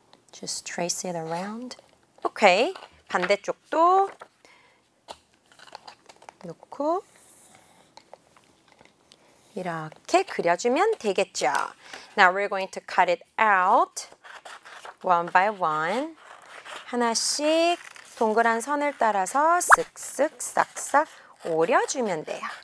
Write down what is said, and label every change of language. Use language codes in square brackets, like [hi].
[en] Just trace it around. Okay. [ko] 반대쪽도 놓고 이렇게 그려주면 되겠죠. [en] Now we're going to cut it out one by one. [ko] 하나씩 동그란 선을 따라서 쓱쓱 싹싹 오려주면 돼요.